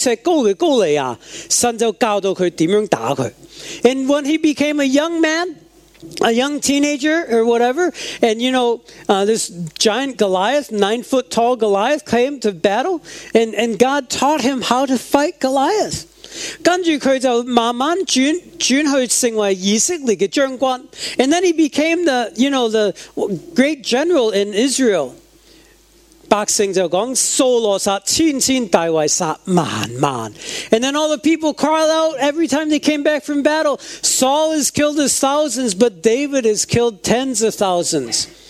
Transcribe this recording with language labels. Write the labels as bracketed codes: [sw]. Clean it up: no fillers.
[zh] 他就一路被培训当高利亚出来，他是少年人的时候，大卫是少年人，他就面对这个九尺高的高利亚，神就教导他怎样打他。 [en] And when he became a young man, a young teenager or whatever, and you know, this giant Goliath, 9 foot tall Goliath, came to battle, and God taught him how to fight Goliath. [zh] 跟着他就慢慢转去成为以色列的将军, [en] and then he became the, you know, the great general in Israel. [zh] 百姓就说,扫罗杀千千，大卫杀万万。 [en] And then all the people cried out every time they came back from battle, Saul has killed his thousands, but David has killed tens of thousands.